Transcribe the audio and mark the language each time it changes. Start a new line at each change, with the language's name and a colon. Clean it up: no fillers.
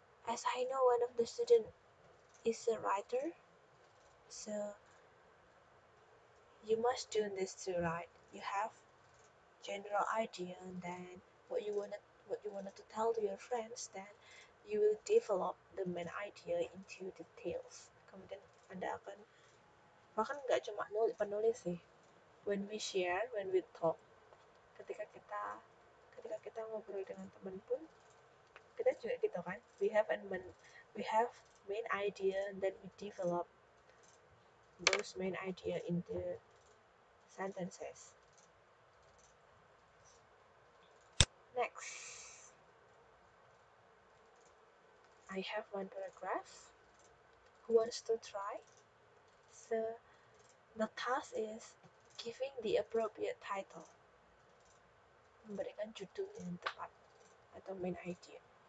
English: As I know, one of the students is a writer, so you must do this too, right? You have general idea, and then what you wanted to tell to your friends, then you will develop the main idea into details.
Indonesian: Kemudian Anda akan, bahkan nggak cuma nulis penulis sih.
English: When we talk,
Indonesian: ketika kita ngobrol dengan teman pun, kita juga gitu kan?
English: We have main idea, then we develop those main idea into sentences. Next, I have one paragraph. Who wants to try? So the task is giving the appropriate title.
Indonesian: Memberikan judul yang tepat atau main idea.